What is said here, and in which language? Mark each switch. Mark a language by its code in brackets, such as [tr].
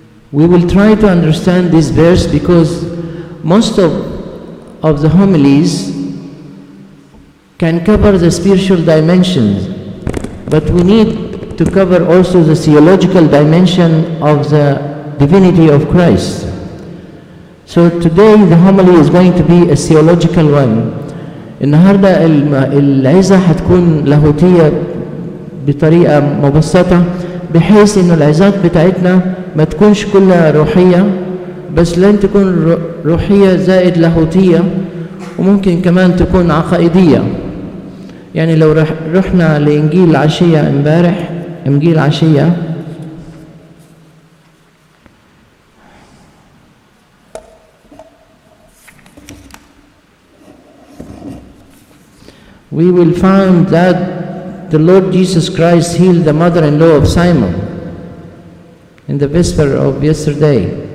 [en] We will try to understand this verse, because most of the homilies can cover the spiritual dimensions, but we need to cover also the theological dimension of the divinity of Christ. So today the homily is going to be a theological one. [ar] النهاردة العزة هتكون لاهوتية بطريقة مبسطة، بحيث إنه العزات بتاعتنا ما تكونش كلها روحية، بس لن تكون روحية زائد لاهوتية، وممكن كمان تكون عقائدية. يعني لو رحنا لإنجيل عشية امبارح، إنجيل عشية [en] we will find that the Lord Jesus Christ healed the mother-in-law of Simon in the vesper of yesterday.